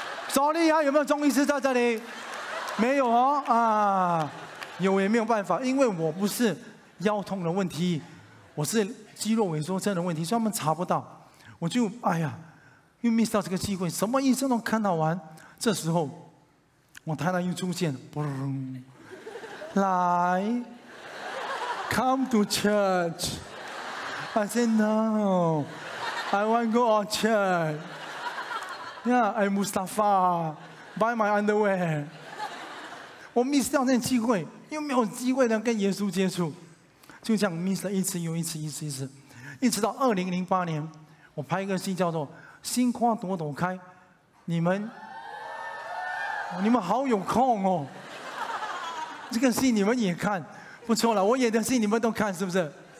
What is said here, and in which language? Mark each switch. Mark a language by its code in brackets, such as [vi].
[zh] 找你啊，有没有中医师在这里？没有哦，啊，有也没有办法，因为我不是腰痛的问题，我是肌肉萎缩症的问题，所以他们查不到。我就哎呀，又 miss 到这个机会，什么医生都看到完，这时候。我太太又出现，嘣，来 ， [en] come to church。 I said no， I want go on church。 Yeah， I'm Mustafa， buy my underwear。 [zh] 我 miss 掉那机会，又没有机会能跟耶稣接触。就这样 miss 了一次又一次，一次一次，一直到2008年，我拍一个戏叫做《心花朵朵开》，你们好有空哦，这个戏你们也看，不错了，我演的戏你们都看是不是？